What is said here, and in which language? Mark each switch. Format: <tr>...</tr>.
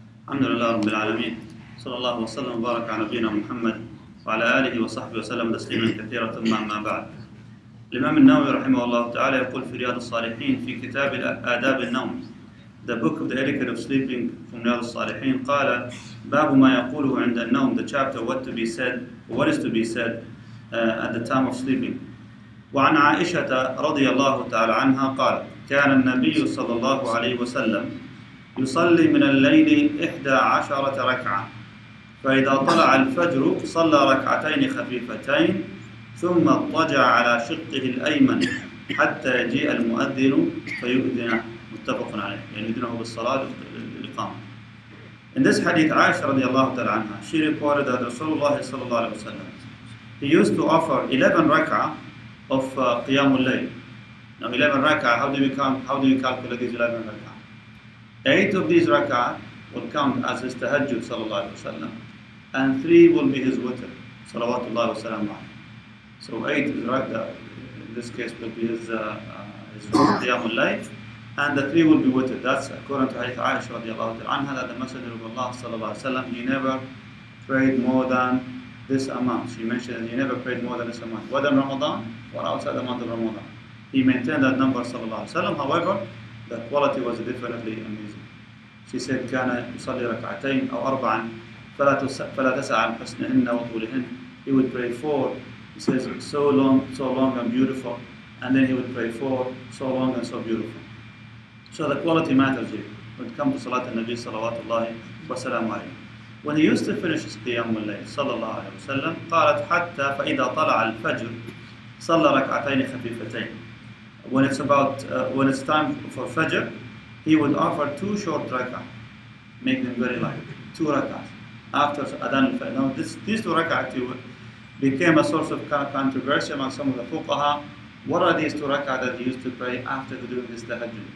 <ar>الحمد لله رب العالمين، صلى الله وسلم وبارك على نبينا محمد وعلى آله وصحبه وسلم تسليما كثيرا. ثم ما بعد، الإمام النووي رحمه الله تعالى يقول في رياض الصالحين في كتاب آداب النوم،</ar> <en>The Book of the Etiquette of Sleeping</en> <ar>from رياض الصالحين، قال: باب ما يقوله عند النوم،</ar> <en>The chapter what to be said, what is to be said at the time of sleeping.</en> <ar>وعن عائشة رضي الله تعالى عنها قال: كان النبي صلى الله عليه وسلم يصلي من الليل 11 ركعة، فإذا طلع الفجر صلى ركعتين خفيفتين، ثم اضطجع على شقه الأيمن حتى يجيء المؤذن فيؤذنه. متفق عليه، يعني يؤذنه بالصلاة الإقامة.</ar> <en>In this hadith, عائشة</en> <ar>رضي الله تعالى عنها,</ar> <en>she reported that Rasulullah</en> <ar>صلى الله عليه وسلم,</ar> <en>he used to offer 11 ركعة of قيام الليل. Now 11 ركعة, how do you calculate these 11 ركعة? Eight of these rak'ah will count as his tahajjud, sallallahu alayhi wa sallam, and three will be his witr, salawatullahi wa sallam. So eight rak'ah, in this case, will be his qiyamul layl, and the three will be witr. That's according to Hadith Aisha radiallahu ta'ala anha, that the Messenger of Allah, sallallahu alayhi wa sallam, he never prayed more than this amount. She mentioned that he never prayed more than this amount, whether in Ramadan or outside the month of Ramadan. He maintained that number, sallallahu alayhi wa sallam. However, the quality was definitely amazing. She said,</en> <ar>كان يصلي ركعتين أو أربعا فلا تسع عن حسنهن وطولهن.</ar> <en>He would pray four. He says, so long and beautiful. And then he would pray four, so long and so beautiful. So the quality matters here. When it comes to</en> <ar>صلاة النبي صلوات الله وسلامه عليه.</ar> <en>When he used to finish his</en> <ar>قيام الليل صلى الله عليه وسلم, قالت حتى فإذا طلع الفجر صلى ركعتين خفيفتين.</ar> <en>When it's about when it's time for Fajr, he would offer two short rak'ah, make them very light, two rak'ah after Adhan al-Fajr. Now these two rak'ah became a source of controversy among some of the fuqaha. What are these two rak'ah that he used to pray after doing his tahajjud?</en>